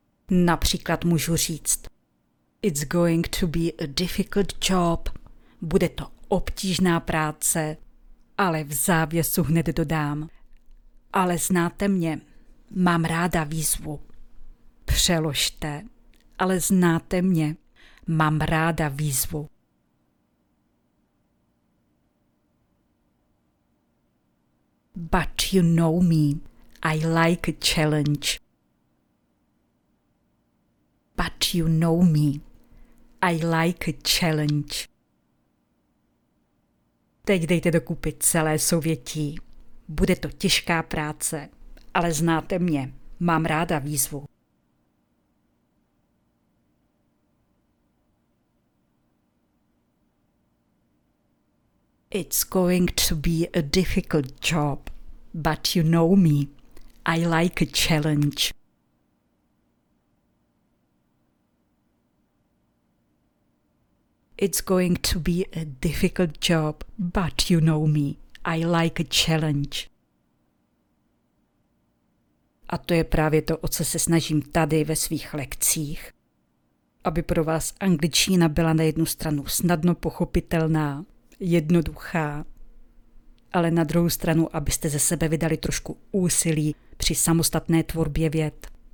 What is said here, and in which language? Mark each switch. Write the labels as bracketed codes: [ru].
[cs] Například můžu říct, [en] it's going to be a difficult job, [cs] bude to obtížná práce, ale v závěsu hned dodám, ale znáte mě, mám ráda výzvu. Přeložte, ale znáte mě, mám ráda výzvu. [en] But you know me, I like a challenge. But you know me, I like a challenge. [cs] Teď dejte dokupy celé souvětí. Bude to těžká práce, ale znáte mě, mám ráda výzvu. [en] It's going to be a difficult job, but you know me, I like a challenge. It's going to be a difficult job, but you know me, I like a challenge. [cs] A to je právě to, o co se snažím tady ve svých lekcích. Aby pro vás angličtina byla na jednu stranu snadno pochopitelná, jednoduchá, ale na druhou stranu, abyste ze sebe vydali trošku úsilí při samostatné tvorbě vět.